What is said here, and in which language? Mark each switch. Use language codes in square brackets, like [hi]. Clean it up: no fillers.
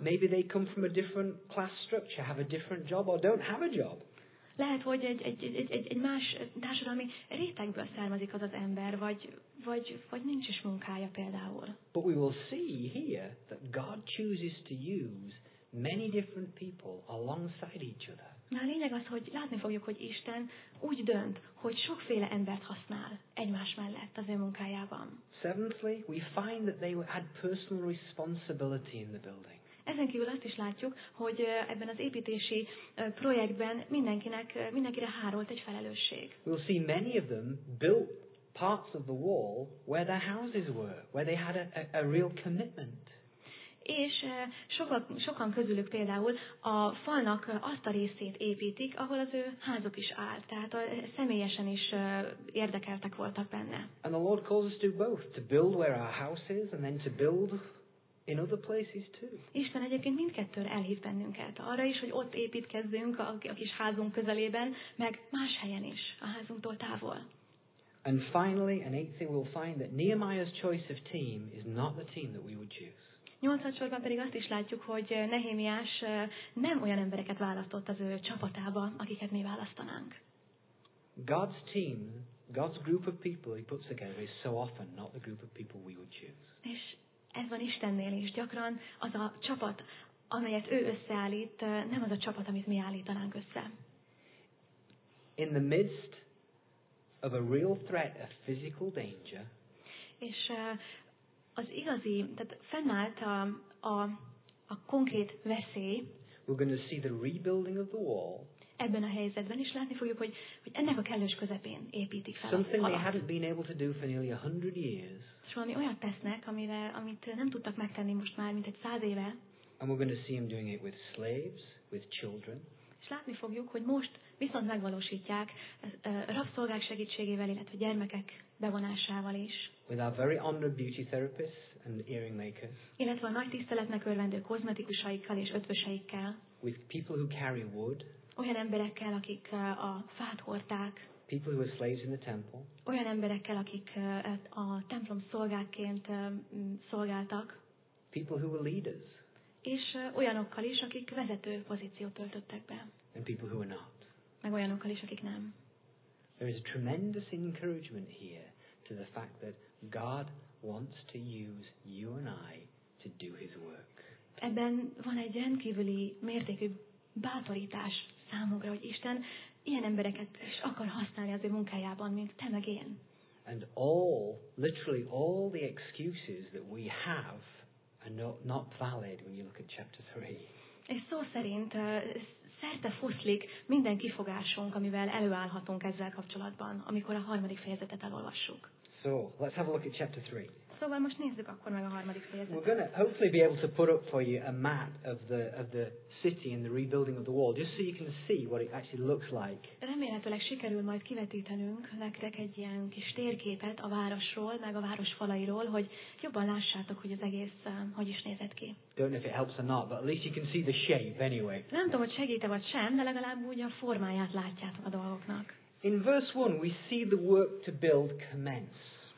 [en] Maybe they come from a different class structure, have a different job or don't have a job. [hu] Lehet, hogy egy más társadalmi rétegből származik az az ember, vagy nincs is munkája például. [en] But we will see here that God chooses to use many different people alongside each other. [hu] Na, a lényeg az, hogy látni fogjuk, hogy Isten úgy dönt, hogy sokféle embert használ egymás mellett az ő munkájában. [en] Seventhly, we find that they had personal responsibility in the building. [hu] Ezen kívül azt is látjuk, hogy ebben az építési projektben mindenkire hárolt egy felelősség. [en] We'll see many of them built parts of the wall where their houses were, where they had a real commitment. [hu] És sokan közülük például a falnak azt a részét építik, ahol az ő házuk is áll, tehát személyesen is érdekeltek voltak benne. [en] And the Lord calls us to both, to build where our house is, and then to build in other places too. [hu] Isten egyébként mindkettőre elhív bennünket, arra is, hogy ott építkezzünk a kis házunk közelében, meg más helyen is, a házunktól távol. [en] And finally, and eighthly, we'll find that Nehemiah's choice of team is not the team that we would choose. [hu] Nyolcadsorban pedig azt is látjuk, hogy Nehémiás nem olyan embereket választott az ő csapatába, akiket mi választanánk. [en] God's team, God's group of people he puts together is so often not the group of people we would choose. [hu] És ez van Istennél is. Gyakran az a csapat, amelyet ő összeállít, nem az a csapat, amit mi állítanánk össze. [en] In the midst of a real threat, a physical danger, [hu] és az igazi, tehát fennállt a konkrét veszély, [en] we're going to see the rebuilding of the wall, [hu] ebben a helyzetben is látni fogjuk, hogy ennek a kellős közepén építik fel. [en] Something they hadn't been able to do for nearly 100 years. [hu] És valami olyat tesznek, amit nem tudtak megtenni most már, mint egy 100 éve. [en] And we're going to see him doing it with slaves, with children. [hu] És látni fogjuk, hogy most viszont megvalósítják rabszolgák segítségével, illetve gyermekek bevonásával is. [en] With our very honored beauty therapists and earring makers. [hu] Illetve a nagy tiszteletnek örvendő kozmetikusaikkal és ötvöseikkel. [en] With people who carry wood. [hu] Olyan emberekkel, akik a fát hordták. [en] People who were slaves in the temple. [hu] Olyan emberekkel, akik a templom szolgákként szolgáltak. [en] People who were leaders. [hu] És olyanokkal is, akik vezető pozíciót töltöttek be. [en] And people who were not. [hu] Meg olyanokkal is, akik nem. [en] There is a tremendous encouragement here to the fact that God wants to use you and I to do his work. [hu] Ebben van egy rendkívüli mértékű bátorítás számunkra, hogy Isten ilyen embereket is akar használni az ő munkájában, mint te meg én. [en] And all, literally all the excuses that we have are not valid when you look at chapter 3. [hu] És szó szerint szerte foszlik minden kifogásunk, amivel előállhatunk ezzel kapcsolatban, amikor a harmadik fejezetet elolvassuk. [en] So, let's have a look at chapter 3. [hu] Szóval most nézzük akkor meg a harmadik fejezetet. [en] We're going to hopefully be able to put up for you a map of the city and the rebuilding of the wall, just so you can see what it actually looks like. [hu] Remélhetőleg sikerül majd kivetítenünk nektek egy ilyen kis térképet a városról, meg a város falairól, hogy jobban lássátok, hogy az egész hogy is nézett ki. [en] Don't know if it helps or not, but at least you can see the shape anyway. [hu] Nem tudom, hogy segít-e vagy sem, de legalább úgy a formáját látjátok a dolgoknak. [en] In verse 1, we see the work to build commence.